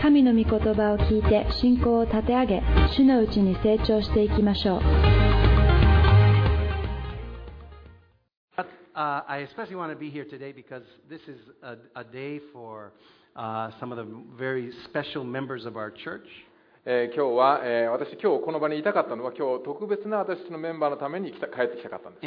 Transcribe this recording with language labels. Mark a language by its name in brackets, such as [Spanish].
[Japanese] 神の御言葉を聞いて信仰を立て上げ、主のうちに成長していきましょう。 [English] I especially want to be here today because this is a day for some of the very special members of our church. [Japanese] 今日は、私今日この場にいたかったのは、今日特別な私のメンバーのために帰ってきたかったんです。